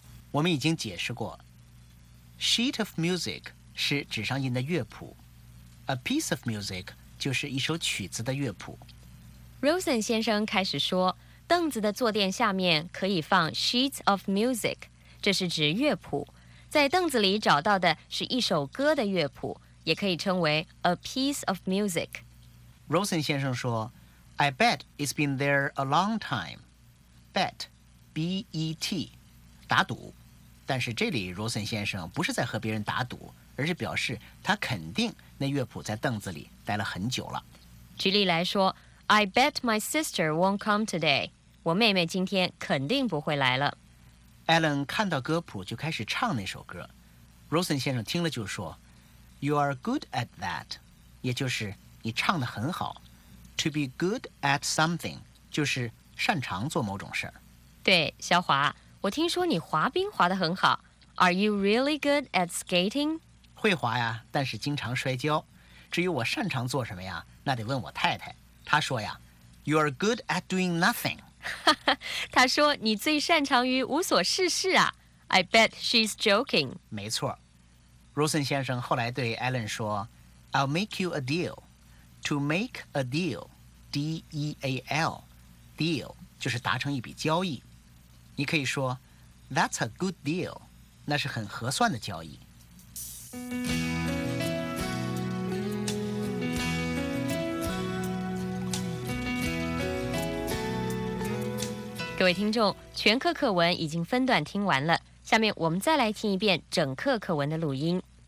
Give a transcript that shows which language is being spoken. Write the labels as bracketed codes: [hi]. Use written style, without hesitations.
[zh] 我们已经解释过 ,sheet of music 是纸上印的乐谱 ,a piece of music 就是一首曲子的乐谱。 Rosen 先生开始说，凳子的坐垫下面可以放 sheets of music, 这是指乐谱。在凳子里找到的是一首歌的乐谱，也可以称为 a piece of music。 [en] Rosen [zh] 先生说 [en] I bet it's been there a long time. Bet, B-E-T, 打赌。 [zh] 但是这里 Rosen 先生不是在和别人打赌，而是表示他肯定那乐谱在凳子里待了很久了。举例来说， [en] I bet my sister won't come today. [zh] 我妹妹今天肯定不会来了。 Alan 看到歌谱就开始唱那首歌， Rosen 先生听了就说 [en] You are good at that， [zh] 也就是你唱得很好。 To be good at something 就是擅长做某种事。对，小华，我听说你滑冰滑得很好。 [en] Are you really good at skating？ [zh] 会滑呀，但是经常摔跤。至于我擅长做什么呀，那得问我太太。她说呀， [en] You are good at doing nothing。 [zh] 他说你最擅长于无所事事啊。 [en] I bet she's joking。 [zh] 没错， Rosen 先生后来对 Alan 说 [en] I'll make you a deal。 [zh] To make a deal， D-E-A-L， deal 就是达成一笔交易。你可以说 [en] That's a good deal， [zh] 那是很合算的交易。各位听众，全课课文已经分段听完了，下面我们再来听一遍整课课文的录音。